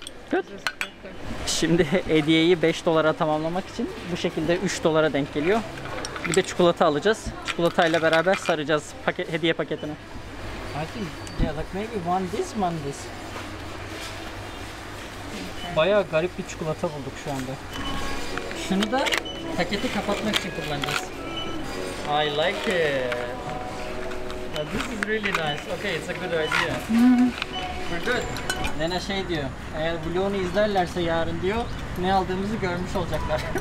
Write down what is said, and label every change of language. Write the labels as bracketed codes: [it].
[en] Good. [tr] Şimdi hediyeyi 5 dolara tamamlamak için bu şekilde 3 dolara denk geliyor. Bir de çikolata alacağız. Çikolatayla beraber saracağız hediye paketini. [en] I think yeah, like maybe one this, one this. [tr] Bayağı garip bir çikolata bulduk şu anda. Şunu da paketi kapatmak için kullanacağız. [en] I like it. Now this is really nice. Okay, it's a good idea. We're good. [tr] Lena şey diyor, eğer vlogunu izlerlerse yarın diyor, ne aldığımızı görmüş olacaklar.